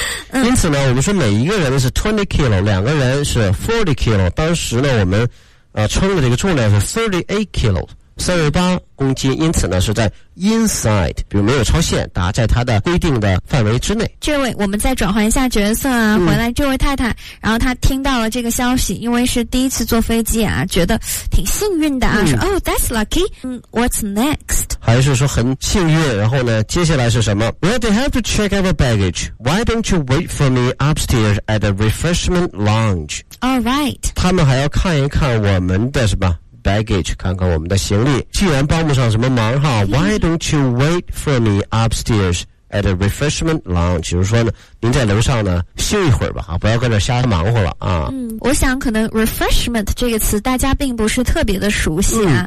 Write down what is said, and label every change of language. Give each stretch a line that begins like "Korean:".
Chinese: 嗯、因此呢我们说每一个人是 20 kilo， 两个人是 40 kilo， 当时呢我们称的这个重量是 38 kilo， 38公斤，因此呢是在 inside， 比如没有超限，达在它的规定的范围之内。这位我们再转换一下角色啊，回来这位太太、嗯、然后她听到了这个消息，因为是第一次坐飞机啊，觉得挺幸运的啊、嗯、
English: 说 oh that's lucky、嗯、what's next，
Chinese: 还是说很幸运，然后呢接下来是什么？
English: Well they have to check our baggage， why don't you wait for me upstairs at the refreshment lounge， all right，
Chinese: 他们还要看一看我们的什么baggage， 看看我们的行李，既然帮不上什么忙哈、嗯、
English: why don't you wait for me upstairs at a refreshment lounge，
Chinese: 就是说呢您在楼上呢休一会儿吧，不要跟着瞎忙活了啊。嗯，我想可能 refreshment 这个词大家并不是特别的熟悉啊、